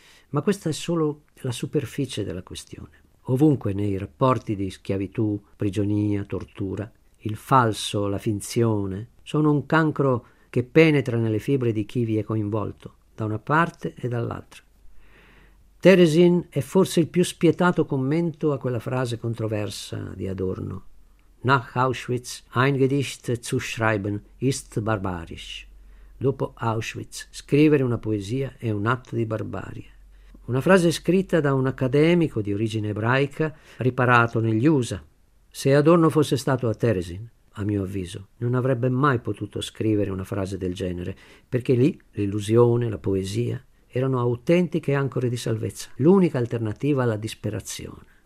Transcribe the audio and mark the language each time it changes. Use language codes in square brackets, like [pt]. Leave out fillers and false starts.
[it] Ma questa è solo la superficie della questione. Ovunque nei rapporti di schiavitù, prigionia, tortura, il falso, la finzione, sono un cancro che penetra nelle fibre di chi vi è coinvolto, da una parte e dall'altra. Theresien è forse il più spietato commento a quella frase controversa di Adorno. [de] Nach Auschwitz ein Gedicht zu schreiben ist barbarisch. [it] Dopo Auschwitz, scrivere una poesia è un atto di barbarie. Una frase scritta da un accademico di origine ebraica riparato negli USA. Se Adorno fosse stato a Theresien, a mio avviso, non avrebbe mai potuto scrivere una frase del genere, perché lì l'illusione, la poesia, erano autentiche ancore di salvezza, l'unica alternativa alla disperazione.